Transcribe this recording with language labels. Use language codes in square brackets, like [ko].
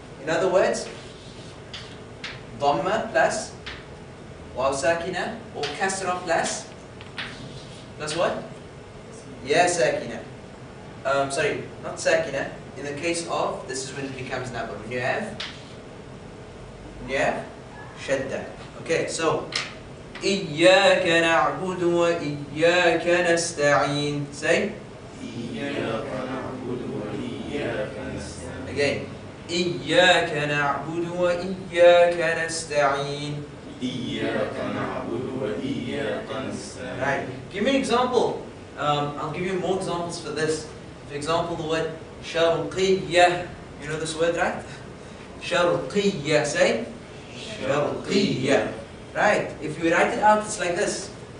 [en] In other words, dhamma plus wawsakina, or kasra plus what? Ya sakina. Sorry, not sakina. In the case of, this is when it becomes nabr. When you have shadda. Okay, so [ar] إياك نعبد وإياك نستعين. [en] Say [ar] إياك نعبد وإياك نستعين. [en] Again, [ar] إياك نعبد وإياك نستعين. إياك نعبد وإياك نستعين. [en] Right. Give me an example. I'll give you more examples for this. For example, the word شرقية. You know this word, right? شرقية. Say [ar] شرقية. [en] Right. If you write it out, it's like this.